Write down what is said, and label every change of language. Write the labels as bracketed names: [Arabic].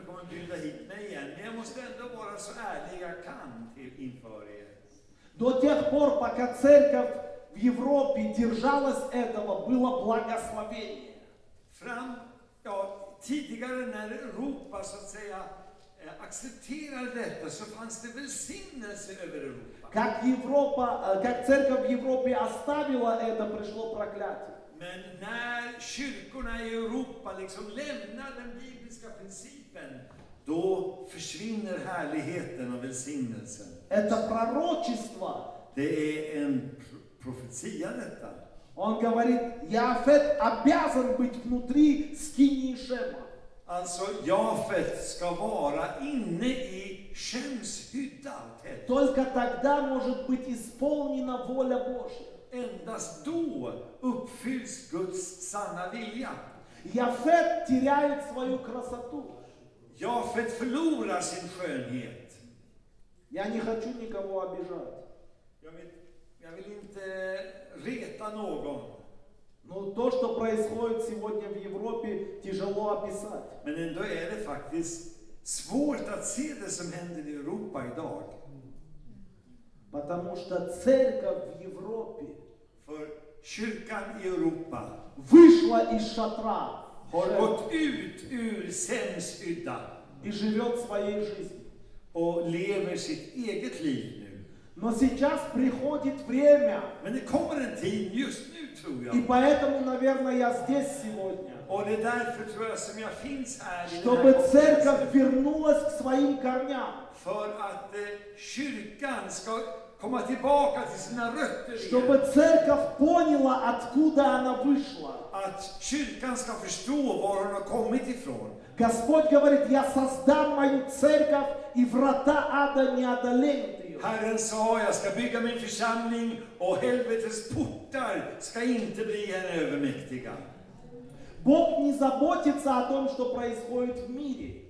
[Swedish] Bjuda hit mig igen, men jag måste ändå vara så ärlig jag kan till inför er. [Russian] До тех пор, пока церковь в Европе держалась этого, было благословение. [Swedish] Fram, ja, tidigare när Europa så att säga accepterade detta, så fanns det välsignelse över Europa. [Russian] Как Европа, как церковь в Европе оставила это, пришло проклятие. [Swedish] Men när kyrkorna i Europa liksom lämnar den bibliska principen, då försvinner härligheten och välsignelsen. [Russian] Это пророчество. [Swedish] Det är en profetia detta. [Russian] Он говорит, Яфет обязан быть внутри скинии Шема. [Swedish] Alltså, Jafet ska vara inne i Shems hydda. [Russian] Только тогда может быть исполнена воля Божья. [Swedish] Endast då uppfylls Guds sanna vilja. [Russian] Jafet теряет свою красоту. [Swedish] Jafet förlorar sin skönhet. [Russian] Я не хочу никого обижать. [Swedish] Jag vill inte reta någon. [Russian] Но то, что происходит сегодня в Европе, тяжело описать. [Swedish] Men ändå är det faktiskt svårt att se det som händer i Europa idag. [Russian] Потому что церковь в Европе, [Swedish] för kyrkan i Europa, [Russian] вышла из шатра, [Swedish] har gått ut ur Shems hydda, [Russian] и живет своей жизнью, [Swedish] och lever sitt eget liv nu. [Russian] Но сейчас приходит время, [Swedish] men det kommer en tid just nu, tror jag. [Russian] И поэтому, наверное, я здесь сегодня, [Swedish] och det är därför, tror jag, som jag finns här, [Russian] чтобы церковь вернулась к своим корням, [Swedish] för att kyrkan ska komma tillbaka till sina rötter. [Russian] Чтобы церковь поняла, откуда она вышла. [Swedish] Att kyrkan ska förstå var hon har kommit ifrån. [Russian] Господь говорит, я создам мою церковь, и врата ада не одолеют ее. [Swedish] Herren sa, jag ska bygga min församling, och helvetes portar ska inte bli henne övermäktiga. [Russian] Бог не заботится о том, что происходит в мире.